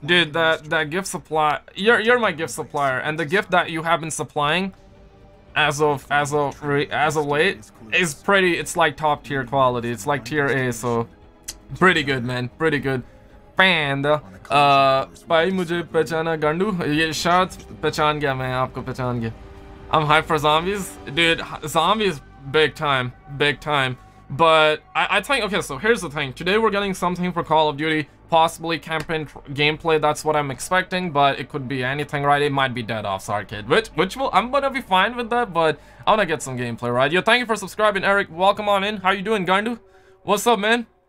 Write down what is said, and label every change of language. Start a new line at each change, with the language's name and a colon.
English: Dude, that gift supply, you're my gift supplier, and the gift that you have been supplying as of late is pretty, it's like top tier quality. It's like tier A, so pretty good, man. Pretty good.
Urdu: And بھائی مجھے پہچانا گانڈو یہ shot پہچان گیا میں آپکو پہچان گیا.
English: I'm hyped for zombies. Dude, zombies big time. But I think, okay, so here's the thing. Today we're getting something for Call of Duty, possibly campaign gameplay. That's what I'm expecting, but it could be anything, right? It might be Dead Ops Arcade, I'm gonna be fine with that, but I wanna get some gameplay, right? Yo, thank you for subscribing, Eric. Welcome on in. How you doing, Gandu? What's up, man?